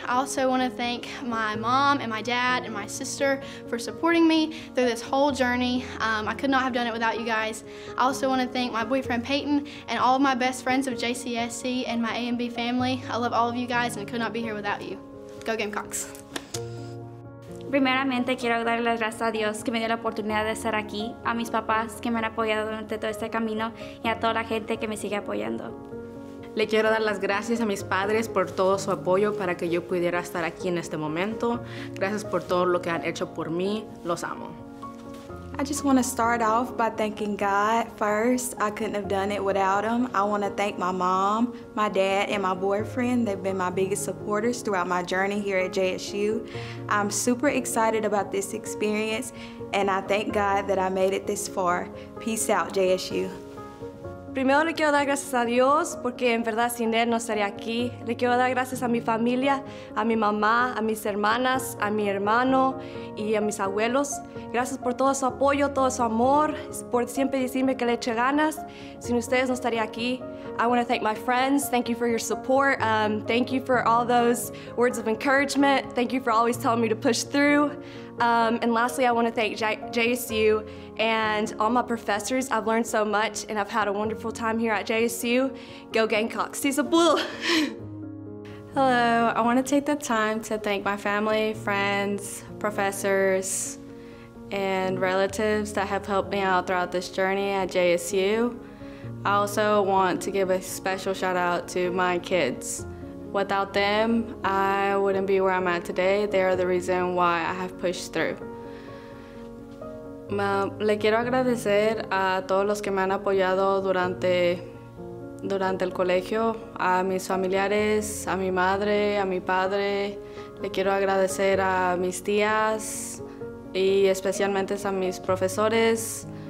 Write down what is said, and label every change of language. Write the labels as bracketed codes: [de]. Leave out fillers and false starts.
[en] I also want to thank my mom and my dad and my sister for supporting me through this whole journey. I could not have done it without you guys. I also want to thank my boyfriend, Peyton, and all of my best friends of JCSC and my A&B family. I love all of you guys and could not be here without you. Go Gamecocks. [es] Primeramente quiero darle las gracias a Dios que me dio la oportunidad de estar aquí, a mis papás que me han apoyado durante todo este camino y a toda la gente que me sigue apoyando. Le quiero dar las gracias a mis padres por todo su apoyo para que yo pudiera estar aquí en este momento. Gracias por todo lo que han hecho por mí. Los amo. [en] I just want to start off by thanking God first. I couldn't have done it without him. I want to thank my mom, my dad, and my boyfriend. They've been my biggest supporters throughout my journey here at JSU. I'm super excited about this experience, and I thank God that I made it this far. Peace out, JSU. [es] Primero le quiero dar gracias a Dios porque en verdad sin él no estaría aquí. Le quiero dar gracias a mi familia, a mi mamá, a mis hermanas, a mi hermano y a mis abuelos. Gracias por todo su apoyo, todo su amor, por siempre decirme que le eche ganas. Sin ustedes no estaría aquí. [en] I want to thank my friends. Thank you for your support. Thank you for all those words of encouragement. Thank you for always telling me to push through. And lastly, I want to thank JSU and all my professors. I've learned so much, and I've had a wonderful time here at JSU. Go Gamecocks! Tisa Bull! Hello. I want to take the time to thank my family, friends, professors, and relatives that have helped me out throughout this journey at JSU. I also want to give a special shout out to my kids. Without them, I wouldn't be where I'm at today. They are the reason why I have pushed through. [es] Le quiero agradecer a todos los que me han apoyado durante el colegio, a mis familiares, a mi madre, a mi padre. Le quiero agradecer a mis tías y especialmente a mis profesores.